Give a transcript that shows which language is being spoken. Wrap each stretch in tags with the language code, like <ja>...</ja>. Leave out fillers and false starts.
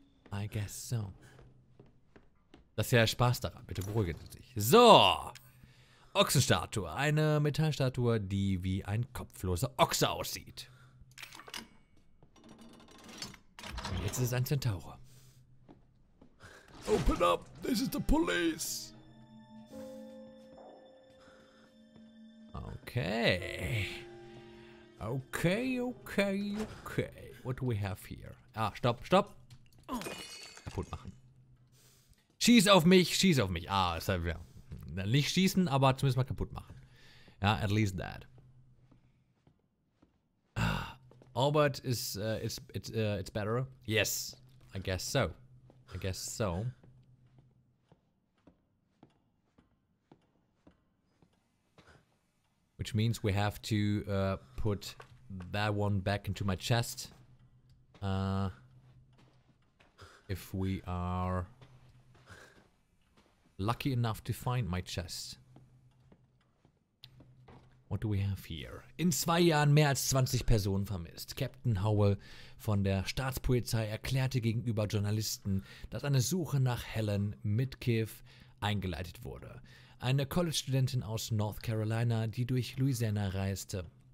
<en>I guess so.</en> <de>Das ist ja Spaß daran. Bitte beruhigen Sie sich. So. Ochsenstatue. Eine Metallstatue, die wie ein kopfloser Ochse aussieht. Und jetzt ist es ein Zentaurer.</de> <en>Open up, this is the police. Okay. What do we have here?</en> <de>Ah, stopp. Kaputt machen. Schieß auf mich. Ah, ist halt, ja. Nicht schießen, aber zumindest mal kaputt machen. Ja,</de> <en>at least that. Albert is it's better. Yes, I guess so. I guess so. Which means we have to put that one back into my chest. If we are lucky enough to find my chest. What do we have here?</en> <de>In zwei Jahren mehr als 20 Personen vermisst. Captain Howell von der Staatspolizei erklärte gegenüber Journalisten, dass eine Suche nach Helen Midkiff eingeleitet wurde. Eine College-Studentin aus North Carolina, die durch Louisiana reiste.</de>